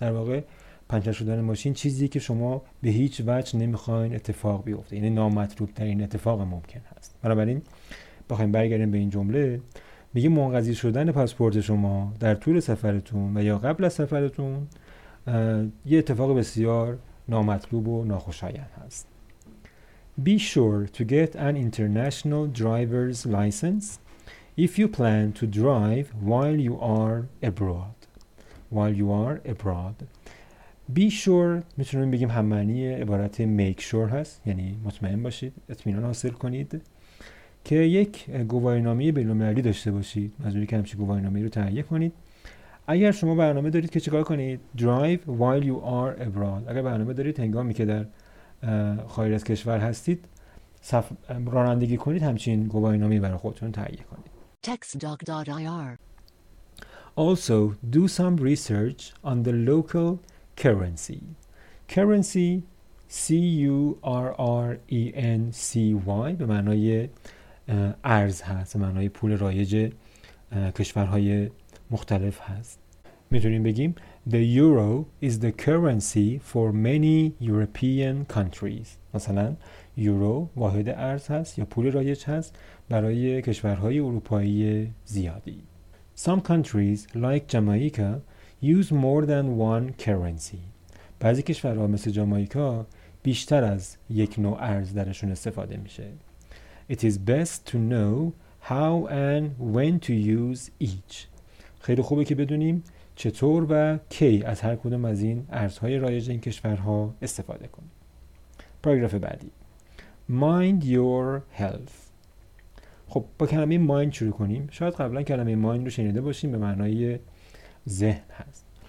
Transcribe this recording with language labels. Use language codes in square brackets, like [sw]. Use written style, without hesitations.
[fa] در واقع پنچر شدن ماشین چیزی که شما به هیچ وجه نمیخواین اتفاق بیفته، یعنی نامطلوب ترین اتفاق ممکن هست. بنابراین بخوایم برگردیم به این جمله، میگه منقضی شدن پاسپورت شما در طول سفرتون و یا قبل از سفرتون یه اتفاق بسیار نامطلوب و ناخوشایند هست. [en] Be sure to get an international driver's license if you plan to drive while you are abroad. While you are abroad. Be sure [fa] میتونیم بگیم هم‌معنی عبارت [en] make sure [fa] هست، یعنی مطمئن باشید، اطمینان حاصل کنید که یک گواهینامه بین‌المللی داشته باشید. منظوری که همچین گواهینامه‌ای رو تهیه کنید. اگر شما برنامه دارید که چیکار کنید، [en] drive while you are abroad، [fa] اگر برنامه دارید هنگامی که در خارج از کشور هستید رانندگی کنید، همچین گواهینامه برای خودتون تهیه کنید. textdoc.ir [en] Also do some research on the local currency. [fa] Currency currency به معنای ارز هست، به معنای پول رایج کشورهای مختلف هست. میتونیم بگیم [en] The euro is the currency for many European countries. [fa] مثلا یورو واحد ارز هست یا پول رایج هست برای کشورهای اروپایی زیادی. [en] Some countries like Jamaica use more than one currency. [fa] بعضی کشورها مثل جامائیکا بیشتر از یک نوع ارز درشون استفاده میشه. [en] It is best to know how and when to use each. [fa] خیلی خوبه که بدونیم چطور و کی از هر کدوم از این ارزهای رایج این کشورها استفاده کنیم. پاراگراف بعدی. [en] Mind your health. [fa] خب با کلمه mind شروع کنیم. شاید قبلا کلمه mind رو شنیده باشیم، به معنای ذهن هست.